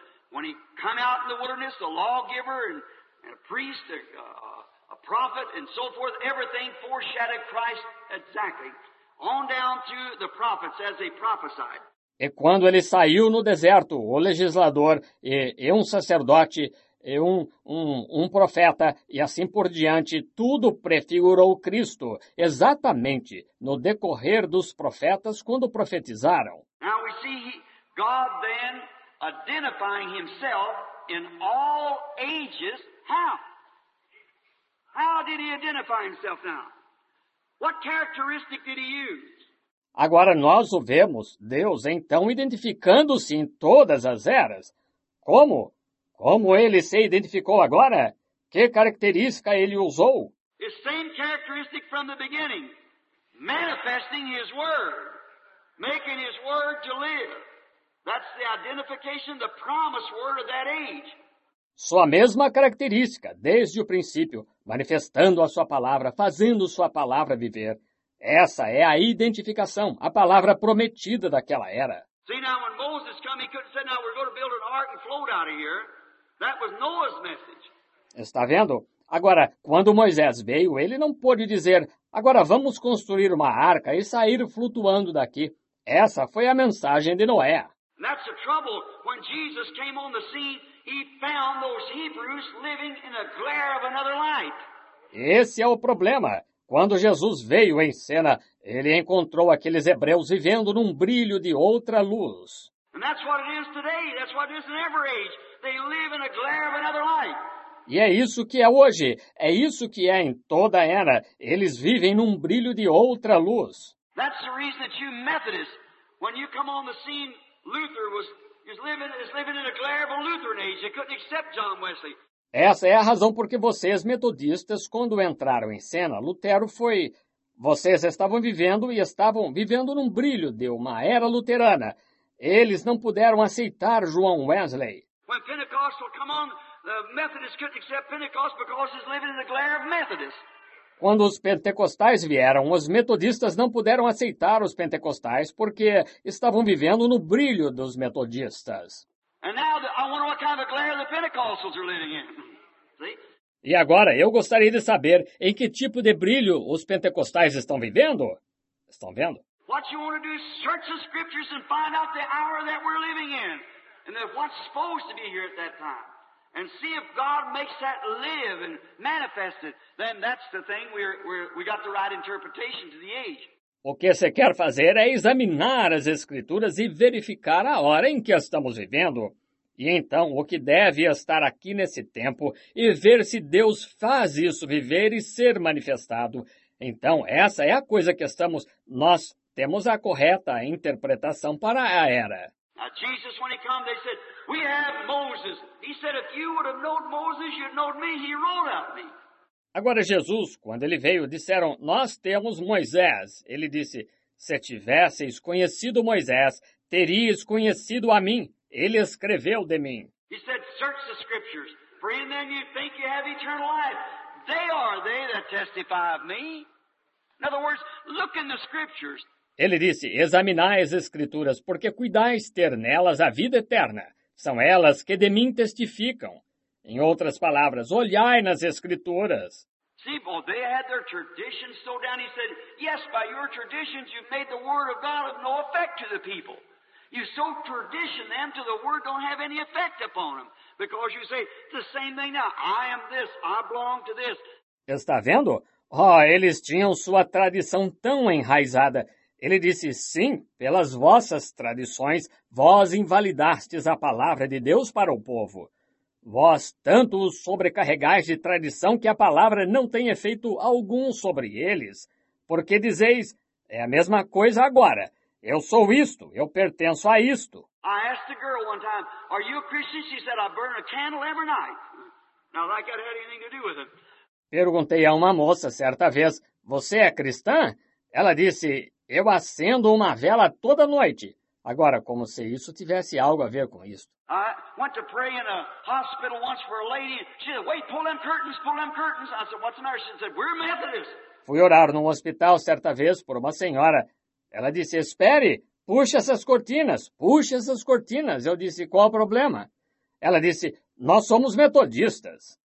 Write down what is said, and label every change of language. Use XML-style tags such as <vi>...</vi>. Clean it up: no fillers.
<pt>Quando ele</pt> <en>came out in the wilderness, a lawgiver, and a priest, a prophet, and so forth, everything foreshadowed Christ exactly, on down to the prophets as they prophesied.</en> <pt>E quando ele saiu no deserto, o legislador e um sacerdote, e um profeta, e assim por diante, tudo prefigurou Cristo, exatamente no decorrer dos profetas quando profetizaram.</pt> <en>Now we see God then identifying himself in all ages. How? How did he identify himself now? What characteristic did he use?</en> <pt>Agora nós o vemos, Deus então identificando-se em todas as eras. Como? Como ele se identificou agora? Que característica ele usou?</pt> <en>The same characteristic from the beginning, manifesting his word, making his word to live. That's the identification, the promised word of that age.</en> <pt>Sua mesma característica, desde o princípio, manifestando a sua palavra, fazendo sua palavra viver. Essa é a identificação, a palavra prometida daquela era.</pt> <en>See, now when Moses came, he couldn't say, now we're going to build an ark and float out of here. That was Noah's message.</en> <pt>Está vendo? Agora, quando Moisés veio, ele não pôde dizer, agora vamos construir uma arca e sair flutuando daqui. Essa foi a mensagem de Noé.</pt> <en>That's the trouble. When Jesus came on the scene, he found those Hebrews living in the glare of another light.</en> <pt>Esse é o problema. Quando Jesus veio em cena, ele encontrou aqueles hebreus vivendo num brilho de outra luz.</pt> <en>And that's what it is today. That's what it is in every age. They live in the glare of another light.</en> <pt>E é isso que é hoje. É isso que é em toda a era. Eles vivem num brilho de outra luz.</pt> <en>That's the reason that you Methodists, when you come on the scene, Luther was living in the glare of a Lutheran age. They couldn't accept John Wesley.</en> <pt>Essa é a razão porque vocês, metodistas, quando entraram em cena, Lutero foi... Vocês estavam vivendo e estavam vivendo num brilho de uma era luterana. Eles não puderam aceitar João Wesley.</pt> <en>When Pentecostal come on, the Methodists couldn't accept Pentecost because he's living in the glare of Methodists.</en> <pt>Quando os pentecostais vieram, os metodistas não puderam aceitar os pentecostais porque estavam vivendo no brilho dos metodistas.</pt> <en>And now I wonder what kind of glare the Pentecostals are living in. See?</en> <pt>E agora eu gostaria de saber em que tipo de brilho os pentecostais estão vivendo? Estão vendo?</pt> <en>What you want to do is search the scriptures and find out the hour that we're living in and what's supposed to be here at that time. And see if God makes that live and manifest it, then that's the thing we got the right interpretation to the age.</en> <pt>O que você quer fazer é examinar as escrituras e verificar a hora em que estamos vivendo. E então, o que deve estar aqui nesse tempo e ver se Deus faz isso viver e ser manifestado. Então, essa é a coisa que estamos... Nós temos a correta interpretação para a era.</pt> <en>Now, Jesus, when he came, they said, we have Moses. He said, if you would have known Moses, you'd know me. He wrote out me.</en> <pt>Agora Jesus, quando ele veio, disseram, nós temos Moisés. Ele disse, se tivesseis conhecido Moisés, teríeis conhecido a mim. Ele escreveu de mim.</pt> <en>He said, search the scriptures, for in them you think you have eternal life. They are they that testify of me. In other words, look in the scriptures.</en> <pt>Ele disse, examinai as escrituras, porque cuidais ter nelas a vida eterna. São elas que de mim testificam. Em outras palavras, olhai nas escrituras.</pt> <en>See, well, they had their traditions so down. He said, yes, by your traditions you've made the word of God of no effect to the people. You so tradition them to the word don't have any effect upon them. Because you say, the same thing now, I am this, I belong to this.</en> <pt>Está vendo? Oh, eles tinham sua tradição tão enraizada. Ele disse, sim, pelas vossas tradições, vós invalidastes a palavra de Deus para o povo. Vós tanto os sobrecarregais de tradição que a palavra não tem efeito algum sobre eles. Porque dizeis, é a mesma coisa agora. Eu sou isto, eu pertenço a isto.</pt> <en>I asked the girl one time, are you a Christian? She said, I burn a candle every night. Now, that got anything to do with it.</en> <pt>Perguntei a uma moça certa vez, você é cristã? Ela disse, eu acendo uma vela toda noite. Agora, como se isso tivesse algo a ver com isso.</pt> <en>I went to pray in a hospital once for a lady. She said, wait, pull them curtains. I said, what's the matter? She said, we're Methodists.</en> <pt>Fui orar num hospital certa vez por uma senhora. Ela disse, espere, puxe essas cortinas. Eu disse, qual o problema? Ela disse, nós somos metodistas.</pt>